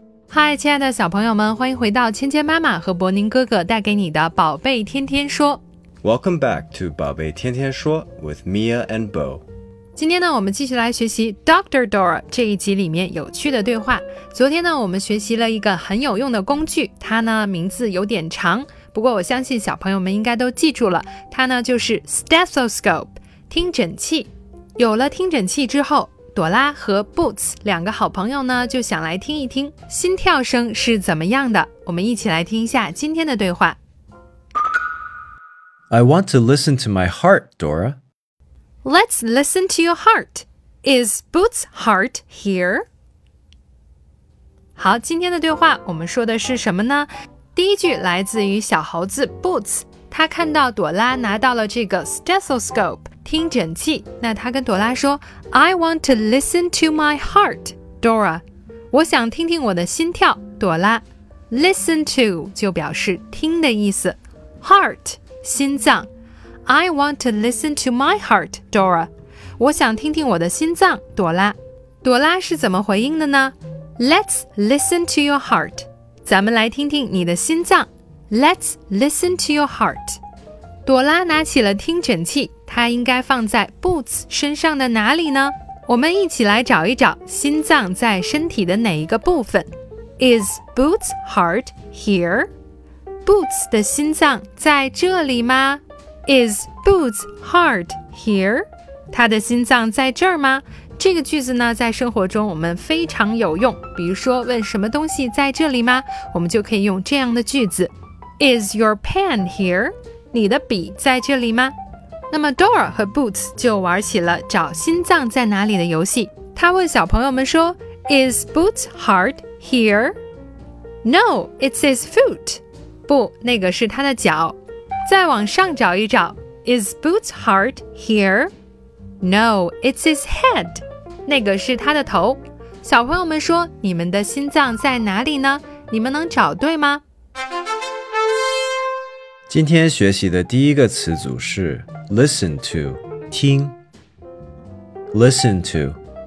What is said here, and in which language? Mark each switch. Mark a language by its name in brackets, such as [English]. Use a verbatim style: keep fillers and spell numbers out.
[Chinese] 嗨，亲爱的小朋友们，欢迎回到芊芊妈妈和伯宁哥哥带给你的宝贝天天说。 [English] Welcome back to 宝贝天天说 with Mia and Bo。 [Chinese] 今天呢，我们继续来学习 Doctor Dora 这一集里面有趣的对话。昨天呢，我们学习了一个很有用的工具，它呢名字有点长，不过我相信小朋友们应该都记住了，它呢就是 stethoscope 听诊器。有了听诊器之后，朵拉和 Boots 两个好朋友呢就想来听一听心跳声是怎么样的。我们一起来听一下今天的对话。 [English] I want to listen to my heart, Dora. Let's listen to your heart. Is Boots' heart here? [Chinese] 好，今天的对话我们说的是什么呢？第一句来自于小猴子 Boots， 他看到朵拉拿到了这个 stethoscope 听诊器，那他跟朵拉说 [English] I want to listen to my heart, Dora. [Chinese] 我想听听我的心跳，朵拉。Listen to 就表示听的意思， heart心脏。 [English] I want to listen to my heart, Dora. [Chinese] 我想听听我的心脏，朵拉。朵拉是怎么回应的呢？ [English] Let's listen to your heart. [Chinese] 咱们来听听你的心脏。 [English] Let's listen to your heart. [Chinese] 朵拉拿起了听诊器，它应该放在 Boots 身上的哪里呢？我们一起来找一找心脏在身体的哪一个部分。 [English] Is Boots' heart here? [Chinese] Boots 的心脏在这里吗？ [English] Is Boots' heart here? [Chinese] 他的心脏在这儿吗？这个句子呢，在生活中我们非常有用。比如说问什么东西在这里吗，我们就可以用这样的句子。 [English] Is your pen here? [Chinese] 你的笔在这里吗？那么 Dora 和 Boots 就玩起了找心脏在哪里的游戏。他问小朋友们说 [English] Is Boots' heart here? No, it's his foot. [Chinese] 不，那个是他的脚。再往上找一找， [English] Is Boots' heart here? No, it's his head. [Chinese] 那个是他的头。小朋友们说，你们的心脏在哪里呢？你们能找对吗？今天学习的第一个词组是 listen to， 听。 [English] Listen to.